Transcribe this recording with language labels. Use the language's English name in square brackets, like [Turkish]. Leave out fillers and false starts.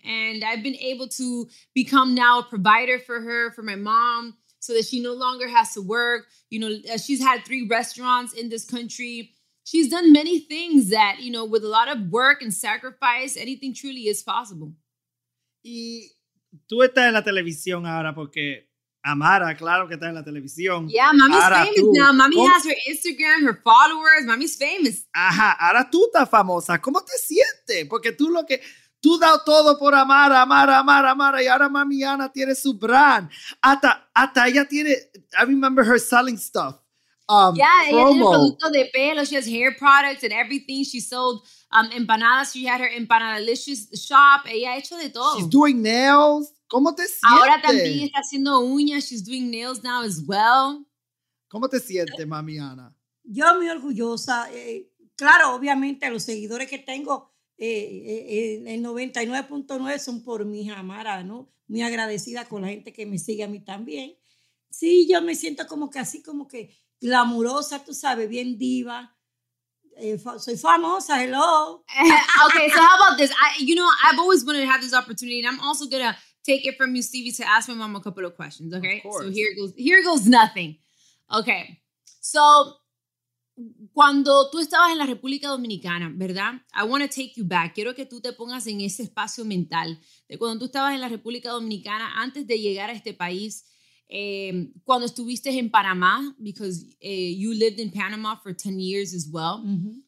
[English] And I've been able to become now a provider for her, for my mom, so that she no longer has to work. You know, she's had 3 restaurants in this country. She's done many things that, you know, with a lot of work and sacrifice, anything truly is possible. [Spanish] Y tú estás en la televisión ahora porque Amara, claro que está en la televisión. [English] Yeah, mami's [Spanish] ahora [English] famous tú. Now. Mami [Spanish] ¿Cómo? [English] Has her Instagram, her followers. Mami's famous. [Spanish] Ajá, ahora tú estás famosa. ¿Cómo te sientes? Porque tú lo que... Tú dado todo por Amara. Y ahora Mami Ana tiene su [English] brand. [Spanish] Hasta ella tiene... [English] I remember her selling stuff. Promo. [Spanish] Ella tiene producto de pelo. [English] She has hair products and everything. She sold empanadas. She had her empanadalicious shop. [Spanish] Ella ha hecho de todo. [English] She's doing nails. [Spanish] ¿Cómo te sientes? Ahora también está haciendo uñas. [English] She's doing nails now as well. [Spanish] ¿Cómo te sientes, mami Ana? Yo muy orgullosa. Claro, obviamente, los seguidores que tengo, el 99.9 son por mí, Amara, ¿no? Muy agradecida con la gente que me sigue a mí también. Sí, yo me siento como que así, como que glamurosa, tú sabes, bien diva. Soy famosa, hello. [English] Okay, so how about this? I've always wanted to have this opportunity, and I'm also going to take it from you, Stevie, to ask my mom a couple of questions, okay? Of course. So here goes nothing. [Spanish] Okay, so cuando tú estabas en la República Dominicana, ¿verdad? [English] I want to take you back. [Spanish] Quiero que tú te pongas en ese espacio mental de cuando tú estabas en la República Dominicana antes de llegar a este país, cuando estuviste en Panamá, [English] because you lived in Panama for 10 years as well. [Spanish] Mm-hmm.